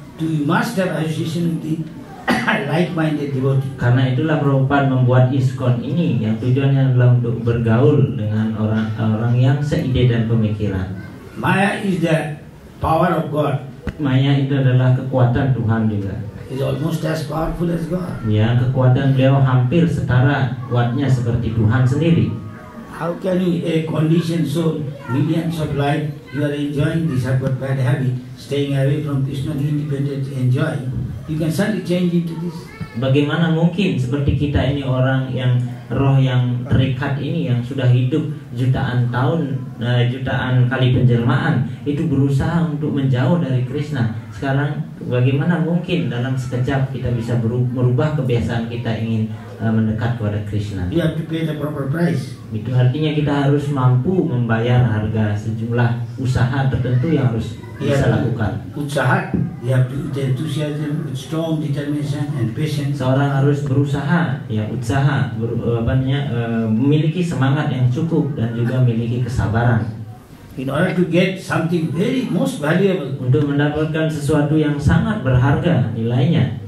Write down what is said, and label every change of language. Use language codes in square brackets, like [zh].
[en] Do you must have association with like-minded devotee? [id] Karena itulah Prabhupada membuat iskon ini yang tujuannya adalah untuk bergaul dengan orang-orang yang seide dan pemikiran. [en] Maya is the power of God. [id] Maya itu adalah kekuatan Tuhan juga. [en] Is almost as powerful as God. [id] Ya, kekuatan beliau hampir setara kuatnya seperti Tuhan sendiri. [en] How can you a condition so millions of life you are enjoying this habit, bad habit, staying away from Krishna, the independent enjoy, you can suddenly change into this? [id] bagaimana mungkin seperti kita ini orang yang roh yang terikat ini yang sudah hidup jutaan tahun, jutaan kali penjelmaan itu berusaha untuk menjauh dari Krishna. Sekarang bagaimana mungkin dalam sekejap kita bisa merubah kebiasaan kita ingin mendekat kepada Krishna? [en] You have to pay the proper price. [id] Itu artinya kita harus mampu membayar harga sejumlah usaha tertentu yang harus bisa lakukan. [en] Usaha, you have to the enthusiasm, strong determination and patience. [id] Seorang harus berusaha, ya usaha, memiliki semangat yang cukup dan juga memiliki kesabaran. In order to get something very most valuable. Untuk mendapatkan sesuatu yang sangat berharga nilainya.